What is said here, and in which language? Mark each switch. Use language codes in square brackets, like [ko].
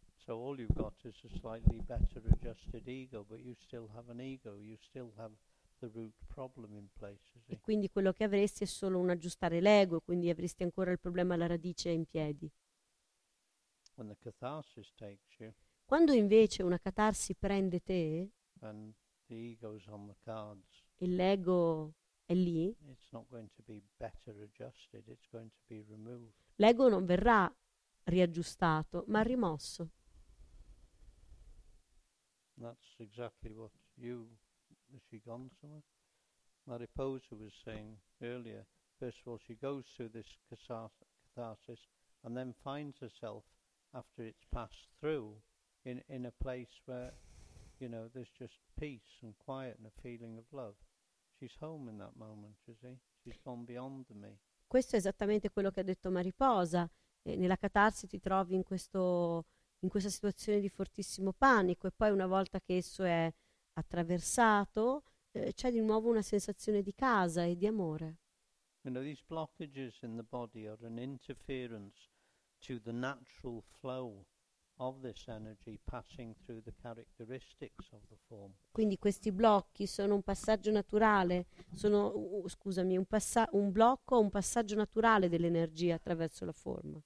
[en] So all you've got is a slightly better adjusted ego, but you still have an ego, you still have the root problem in place. [it] E quindi quello che avresti è solo un aggiustare l'ego, quindi avresti ancora il problema alla radice in piedi. [en] When the catharsis takes you, [it] quando invece una catarsi prende te, [en] and the ego's on the cards, [it] e l'ego è lì, [en] it's not going to be better adjusted, it's going to be removed. [it] L'ego non verrà riaggiustato, ma rimosso. [en] That's exactly what you. Has she gone somewhere? Mariposa was saying earlier. First of all, she goes through this catharsis, and then finds herself, after it's passed through, in a place where, you know, there's just peace and quiet and a feeling of love. She's home in that moment. You see, she's gone beyond the me. [it] Questo è esattamente quello che ha detto Mariposa. Nella catarsi ti trovi in questa situazione di fortissimo panico, e poi una volta che esso è attraversato, c'è di nuovo una sensazione di casa e di amore. [en] You know, these blockages in the body are an interference to the natural flow of this energy passing through the characteristics of the form. [it] Quindi questi blocchi sono un passaggio naturale, sono un passaggio naturale dell'energia attraverso la forma.